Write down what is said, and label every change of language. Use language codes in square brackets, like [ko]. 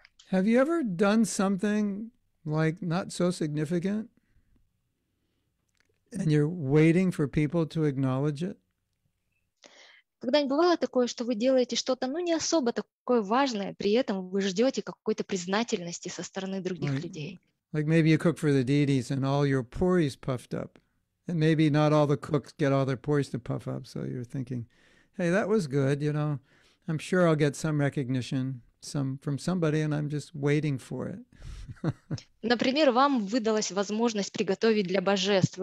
[en] Have you ever done something like not so significant, and you're waiting for people to acknowledge it? [ru] Когда-нибудь бывало такое, что вы делаете что-то, ну, не особо такое важное, при этом вы ждете какой-то признательности со стороны других людей? [en] Like maybe you cook for the deities, and all your puris puffed up, and maybe not all the cooks get all their puris to puff up, so you're thinking, hey, that was good, you know, I'm sure I'll get some recognition. From somebody, and I'm just waiting for it. [ru] Например, вам выдалась возможность приготовить для божеств.